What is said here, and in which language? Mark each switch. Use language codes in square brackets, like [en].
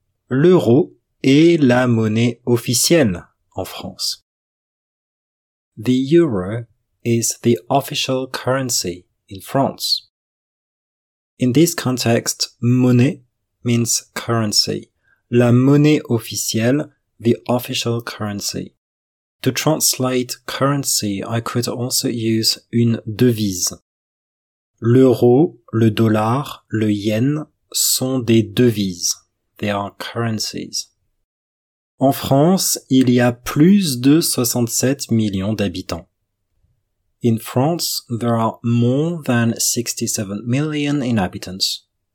[fr] L'euro est la monnaie officielle en France. [en] The euro is the official currency in France. In this context, monnaie means currency. [fr] La monnaie officielle, [en] the official currency. To translate currency, I could also use une devise. [fr] L'euro, le dollar, le yen sont des devises. [en] They are currencies. [fr] En France, il y a plus de 67 millions d'habitants. [en] In France, there are more than 67 million inhabitants.